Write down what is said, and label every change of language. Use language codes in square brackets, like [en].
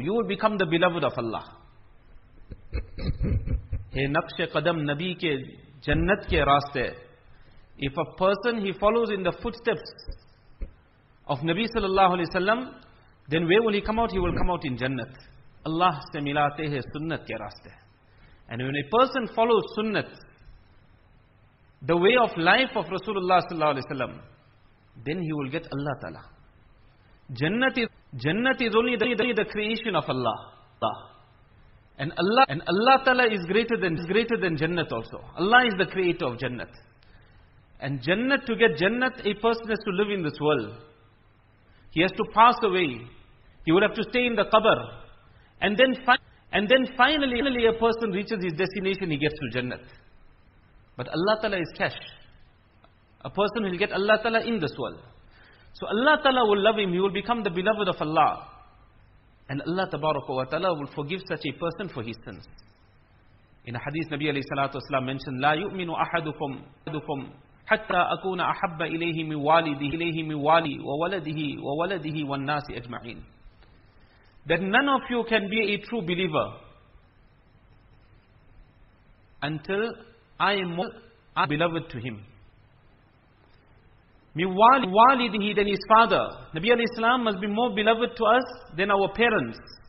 [en] You will become the beloved of Allah. Hey, [ur] نَقْشَ قَدَمْ نَبِي كَ جَنَّتْ كَ رَاسْتَ. [en] If a person, he follows in the footsteps of Nabi sallallahu alaihi wasallam, then where will he come out? He will come out in Jannat. [ur] Allah سے ملاتے ہیں سنت کے راستے. [en] And when a person follows sunnat, the way of life of Rasulullah sallallahu alaihi wasallam, then he will get Allah Ta'ala. Jannat is only the creation of Allah. And Allah Ta'ala is greater than Jannat also. Allah is the creator of Jannat. And Jannat, to get Jannat, a person has to live in this world. He has to pass away. He would have to stay in the qabr. And then finally, a person reaches his destination, he gets to Jannat. But Allah Ta'ala is cash. A person will get Allah Ta'ala in this world. So Allah Ta'ala will love him, he will become the beloved of Allah. And Allah Tabaraka wa Ta'ala will forgive such a person for his sins. In a hadith, Nabi alayhi salatu wasalam mentioned, [ar] لا يؤمن أحدكم حتى أكون أحب إليه من والده وولده والناس أجمعين. [en] That none of you can be a true believer until I am more beloved to him. Miwalidihi, than his father. Nabi alayhi salam must be more beloved to us than our parents.